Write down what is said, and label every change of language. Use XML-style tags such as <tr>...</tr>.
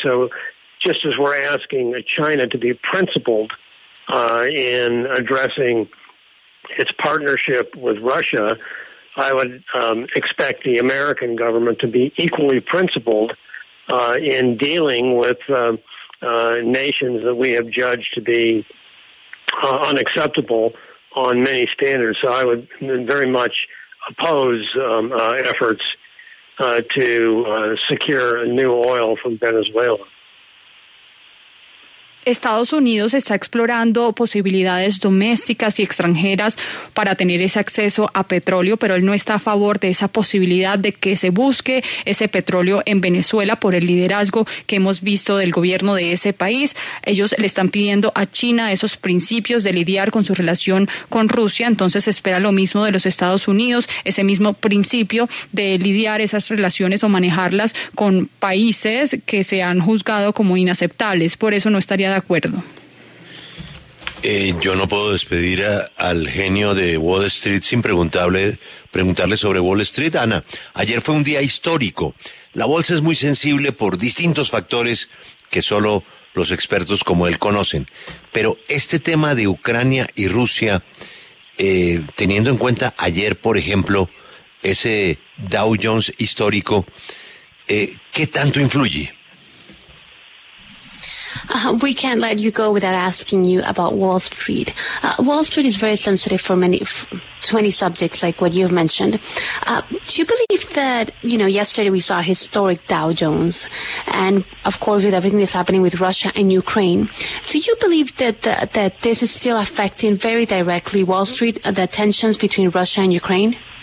<en>So, just as we're asking China to be principled in addressing its partnership with Russia, I would expect the American government to be equally principled in dealing with nations that we have judged to be unacceptable on many standards. So I would very much oppose efforts to secure new oil from Venezuela.</en> <es>Estados Unidos está explorando posibilidades domésticas y extranjeras para tener ese acceso a petróleo, pero él no está a favor de esa posibilidad de que se busque ese petróleo en Venezuela por el liderazgo que hemos visto del gobierno de ese país. Ellos le están pidiendo a China esos principios de lidiar con su relación con Rusia, entonces espera lo mismo de los Estados Unidos, ese mismo principio de lidiar esas relaciones o manejarlas con países que se han juzgado como inaceptables. Por eso no estaría de acuerdo. Yo no puedo despedir al genio de Wall Street sin preguntarle sobre Wall Street. Ana, ayer fue un día histórico. La bolsa es muy sensible por distintos factores que solo los expertos como él conocen. Pero este tema de Ucrania y Rusia, teniendo en cuenta ayer, por ejemplo, ese Dow Jones histórico, ¿qué tanto influye?</es> <en>We can't let you go without asking you about Wall Street. Wall Street is very sensitive for many, 20 subjects like what you've mentioned. Do you believe that, you know, yesterday we saw historic Dow Jones, and of course with everything that's happening with Russia and Ukraine, do you believe that that this is still affecting very directly Wall Street, the tensions between Russia and Ukraine?</en>